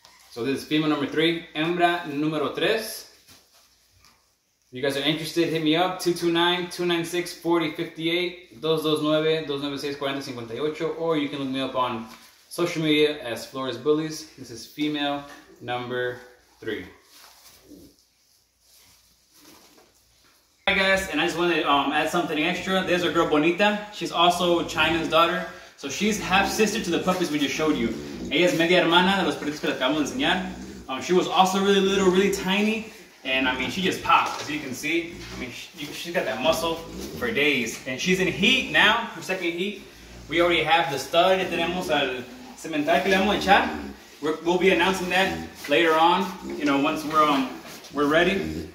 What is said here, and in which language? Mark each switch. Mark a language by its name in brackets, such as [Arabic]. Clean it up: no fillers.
[English] So this is female number three, [Spanish] hembra número tres. [English] If you guys are interested, hit me up, 229-296-4058-229-296-4058, or you can look me up on social media as Flores Bullies. This is female number three. Hi guys, and I just wanted to add something extra. There's a girl, Bonita. She's also Chyna's daughter. So she's half-sister to the puppies we just showed you. [Spanish] Ella es media hermana de los perritos que les acabamos de enseñar. [English] She was also really little, really tiny. And I mean, she just popped, as you can see. I mean, she's got that muscle for days. And she's in heat now, her second heat. We already have the stud, [Spanish] ya tenemos al cemental que le vamos a echar. [English] We'll be announcing that later on, you know, once we're ready.